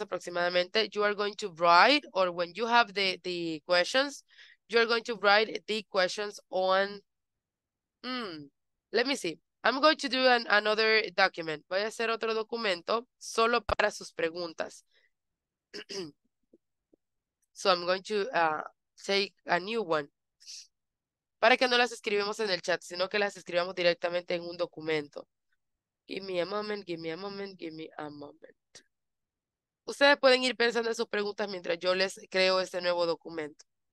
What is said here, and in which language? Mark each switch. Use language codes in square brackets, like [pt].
[es] Aproximadamente, [en] you are going to write, or when you have the questions, you are going to write the questions on, let me see. I'm going to do another document. [es] Voy a hacer otro documento solo para sus preguntas. [en] So I'm going to take a new one. [es] Para que no las escribamos en el chat, sino que las escribamos directamente en un documento. [en] Give me a moment, give me a moment, give me a moment. [es] Ustedes pueden ir pensando en sus preguntas mientras yo les creo este nuevo documento.